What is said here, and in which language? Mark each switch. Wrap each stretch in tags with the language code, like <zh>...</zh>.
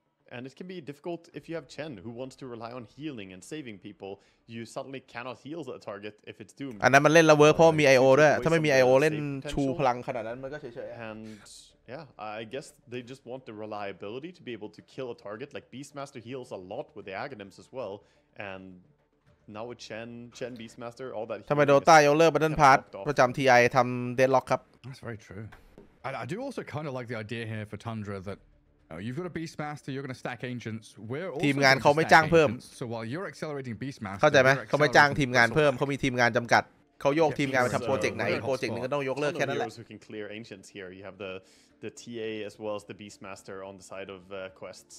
<en>And it can be difficult if you have Chen, who wants to rely on healing and saving people. You suddenly cannot heal a target if it's doomed.</en> <th>อันนั้นมันเล่นแล้วเวิร์คเพราะมี IO ด้วยถ้าไม่มี IO เล่นชูพลังขนาดนั้นมันก็เฉย</th> <en>ๆ And yeah, I guess they just want the reliability to be able to kill a target. Like Beastmaster heals a lot with the Aghanims as well. And now with Chen Beastmaster, all that</en> <th>ทำไมโดต้าโยเลอร์บัตเทิลพาร์ทประจำ TI ทำเดดล็อกครับ</th> <en>That's very true. I do also kind of like the idea here for Tundra thatOh, you've got a Beastmaster. You're going to stack ancients. We're also.</en> <th>ทีมงานเขาไม่จ้างเพิ่ม</th> <en>So while you're accelerating Beastmaster,</en> <th>เข้าใจไหมเขาไม่จ้างทีมงานเพิ่มเขามีทีมงานจำกัดเขายกทีมงานไปทำโปรเจกต์ไหนโปรเจกต์นึงก็ต้องยกเลิกแค่นั้นแหละ</th> <en>Who can clear ancients here? You have the TA as well as the Beastmaster on the side of quests.</en>